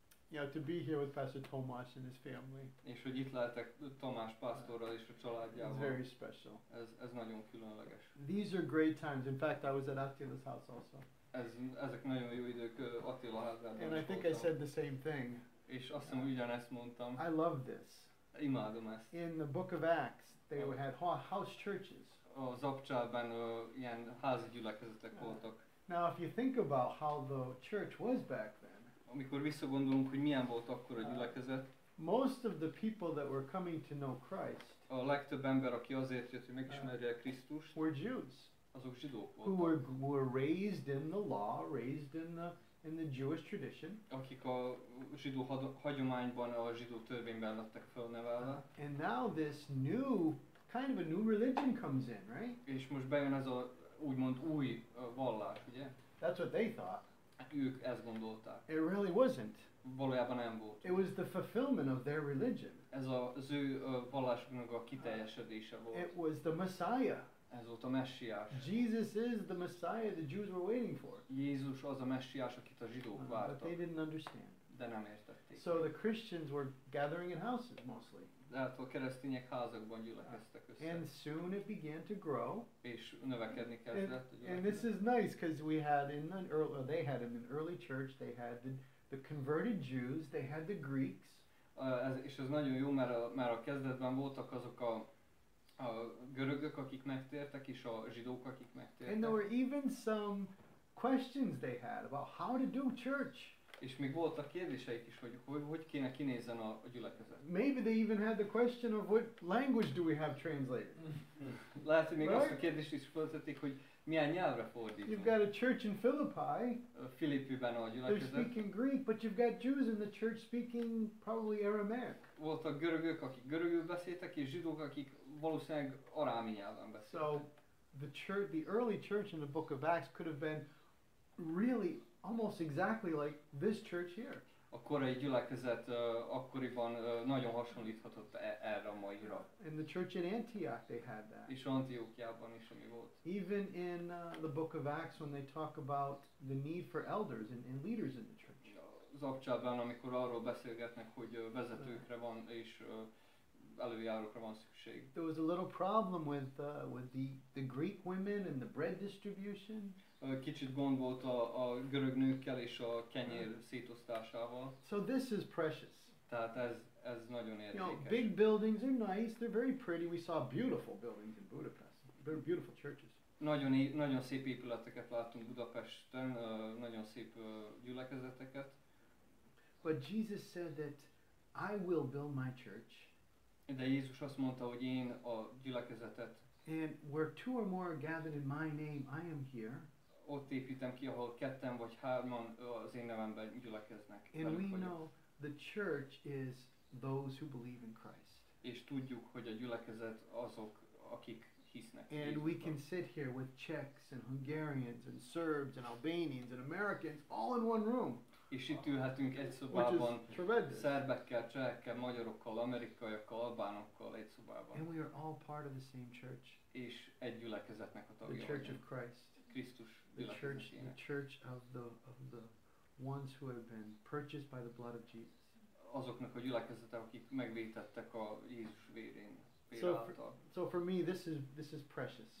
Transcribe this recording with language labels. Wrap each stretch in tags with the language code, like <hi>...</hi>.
<en>Yeah, to be here with Pastor Tomás and his family.</en> <hu>És hogy itt lehetek Tomás pásztorral és a családjával.</hu> <en>It's very special.</en> <hu>Ez nagyon különleges.</hu> <en>These are great times. In fact, I was at Attila's house also.</en> <hu>Ezek nagyon jó idők Attila házában.</hu> <en>And I think I said the same thing.</en> <hu>És azt hiszem, ugyanezt mondtam.</hu> <en>I love this.</en> <hu>Imádom ezt.</hu> <en>In the book of Acts, they had house churches.</en> <hu>Az Apcsában ilyen házi gyülekezetek voltak.</hu> <en>Now, if you think about how the church was back then.</en> <hu>Amikor visszagondolunk, hogy milyen volt akkor a gyülekezet.</hu> <en>Most of the people that were coming to know Christ.</en> <hu>A legtöbb ember, aki azért jött, hogy megismerje Krisztust.</hu> <en>Were Jews.</en> <hu>Azok zsidók voltak.</hu> <en>Who were raised in the law, raised in the Jewish tradition.</en> <hu>Akik a zsidó hagyományban, a zsidó törvényben lettek felnevelve.</hu> <en>And now this new, kind of a new religion comes in, right?</en> <hu>És most bejön ez a úgymond új vallás, ugye?</hu> <en>That's what they thought.</en> <hu>Ők ezt gondolták.</hu> <en>It really wasn't.</en> <hu>Valójában nem volt.</hu> <en>It was the fulfillment of their religion.</en> <hu>Ez az ő vallásuknak a kiteljesedése volt.</hu> <en>It was the Messiah.</en> <hu>Ez volt a messiás.</hu> <en>Jesus is the Messiah the Jews were waiting for.</en> <hu>Jézus az a messiás, akit a zsidók vártak.</hu> <en>But they didn't understand.</en> <hu>De nem értették.</hu> <en>So the Christians were gathering in houses mostly.</en> <hu>De hát a keresztények házakban gyülekeztek össze.</hu> <en>And soon it began to grow.</en> <hu>És növekedni kezdett.</hu> <en>And this is nice because we had in an early, they had in an early church, they had the converted Jews, they had the Greeks.</en> <hu>És ez nagyon jó, mert a kezdetben voltak azok a görögök, akik megtértek, és a zsidók, akik megtértek.</hu> <en>And there were even some questions they had about how to do church.</en> <hu>És még voltak kérdéseik is, hogy kéne kinézzen a gyülekezet.</hu> <en>Maybe they even had the question of what language do we have translated.</en> <hu>Lehet, hogy még</hu> <en>right?</en> <hu>Azt a kérdést is feltették, hogy milyen nyelvre fordítunk.</hu> <en>You've got a church in Philippi.</en> <hu>Filippiben a gyülekezet.</hu> <en>They're speaking Greek, but you've got Jews in the church speaking probably Aramaic.</en> <hu>Voltak görögök, akik görögül beszéltek, és zsidók, akik valószínűleg arámi nyelven beszéltek.</hu> <en>So the early church in the book of Acts could have been really almost exactly like this church here.</en> <hu>A korai gyülekezet akkoriban nagyon hasonlíthatott erre a maira.</hu> <en>In the church in Antioch they had that.</en> <hu>És Antiókiában is ami volt.</hu> <en>Even in the book of Acts when they talk about the need for elders and leaders in the church.</en> <hu>Az Apcsában, amikor arról beszélgetnek, hogy vezetőkre van és előjárókra van szükség.</hu> <en>There was a little problem with the Greek women and the bread distribution.</en> <hu>Kicsit gond volt a görög nőkkel és a kenyér szétosztásával.</hu> <en>So this is precious.</en> <hu>Tehát ez nagyon értékes.</hu> <en>You know, big buildings are nice, they're very pretty. We saw beautiful buildings in Budapest. They're beautiful churches.</en> <hu>Nagyon szép épületeket láttunk Budapesten, nagyon szép gyülekezeteket.</hu> <en>But Jesus said that I will build my church.</en> <hu>De Jézus azt mondta, hogy én a gyülekezetet.</hu> <en>And where two or more are gathered in my name, I am here.</en> <hu>Ott építem ki, ahol ketten vagy hárman az én nevemben gyülekeznek.</hu> <en>And we know the church is those who believe in Christ.</en> <hu>És tudjuk, hogy a gyülekezet azok, akik hisznek.</hu> <en>And we can sit here with Czechs and Hungarians and Serbs and Albanians and Americans all in one room.</en> <hu>És itt ülhetünk egy szobában szerbekkel, csehekkel, magyarokkal, amerikaiakkal, albánokkal egy szobában.</hu> <en>And we are all part of the same church.</en> <hu>És egy gyülekezetnek a tagja.</hu> <en>The Church of Christ.</en> <hu>Krisztus gyülekezetének.</hu> <en>The church of the ones who have been purchased by the blood of Jesus.</en> <hu>Azoknak a gyülekezete, akik megvétettek a Jézus vérén.</hu> <en>So for me this is precious.</en>